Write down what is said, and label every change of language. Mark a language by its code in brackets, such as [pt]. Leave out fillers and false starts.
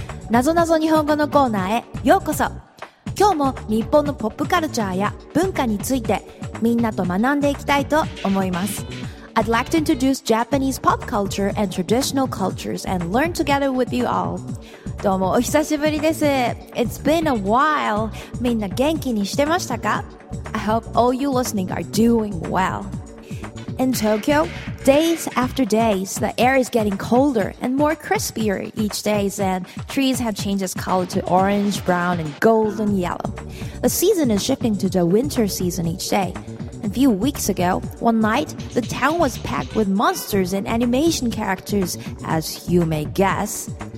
[ja] Nazo Nazo Nihongo のコーナーへようこそ。今日も日本のポップカルチャーや文化についてみんなと学んでいきたいと思います。 [en] I'd like to introduce Japanese pop culture and traditional cultures and learn together with you all. [ja] どうもお久しぶりです。 [en] It's been a while. [ja] みんな元気にしてましたか? [en] I hope all you listening are doing well. In Tokyo, days after days, the air is getting colder and more crispier each day, and trees have changed its color to orange, brown, and golden yellow. The season is shifting to the winter season each day. A few weeks ago, one night, the town was packed with monsters and animation characters, as you may guess.